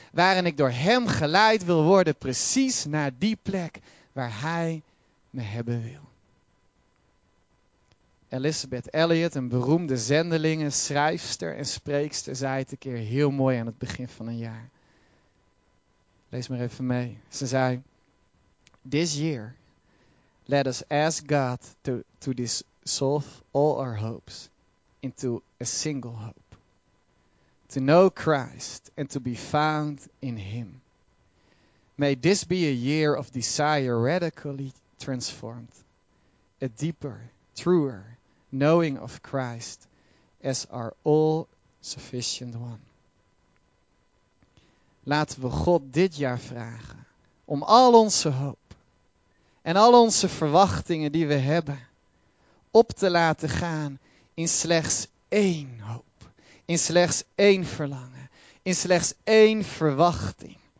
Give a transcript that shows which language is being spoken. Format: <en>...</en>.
<nl>Waarin ik door Hem geleid wil worden precies naar die plek waar Hij me hebben wil. Elizabeth Elliot, een beroemde zendelinge, schrijfster en spreekster, zei het een keer heel mooi aan het begin van een jaar. Lees maar even mee. Ze zei:</nl> <en>"This year, let us ask God to dissolve all our hopes into a single hope. To know Christ and to be found in Him. May this be a year of desire radically transformed. A deeper, truer knowing of Christ as our all-sufficient one."</en> <nl>Laten we God dit jaar vragen om al onze hoop en al onze verwachtingen die we hebben op te laten gaan in slechts één hoop, in slechts één verlangen, in slechts één verwachting.</nl>